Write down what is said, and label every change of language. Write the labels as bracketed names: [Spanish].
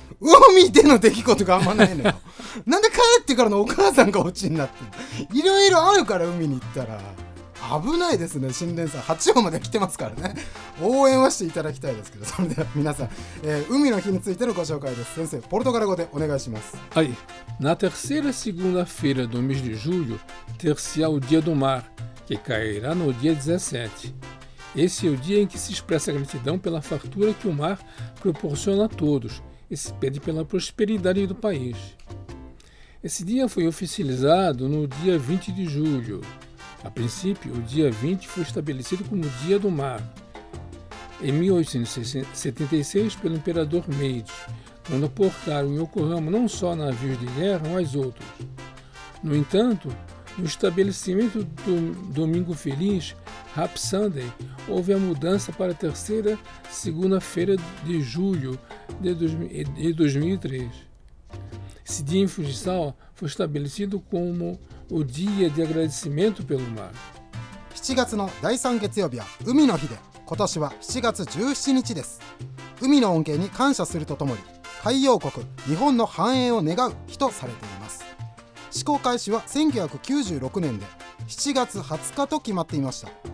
[Japanese] 海での出来事があんまないのよなんで帰ってからのお母さんがオチになってる。いろいろあるから海に行ったら危ないですね。新連載8話まで来てますからね、応援はしていただきたいですけど。それでは皆さん、海の日についてのご紹介です。先生ポルトガル語でお願いします。 [Portuguese] はい、na terceira segunda-feira do mês de julho ter-se-á o dia do mar que cairá no dia 17. Esse é o dia em que se expressa a gratidão pela fartura que o mar proporciona a todos e se pede pela prosperidade do país. Esse dia foi oficializado no dia 20 de julho. A princípio, o dia 20 foi estabelecido como Dia do Mar, em 1876, pelo Imperador Meiji, quando aportaram em Yokohama não só navios de guerra, mas outros. No entanto, no estabelecimento do Domingo Feliz, Happy Sunday, houve a mudança para a terceira segunda-feira de julho de 2003. Esse dia em Fujisawa foi estabelecido como お dia de agradecimento pelo mar。 [Japanese] 7月の第3月曜日は海の日で、今年は7月17日です。海の恩恵に感謝するとともに、海洋国日本の繁栄を願う日とされています。施行開始は1996年で、7月20日と決まっていました。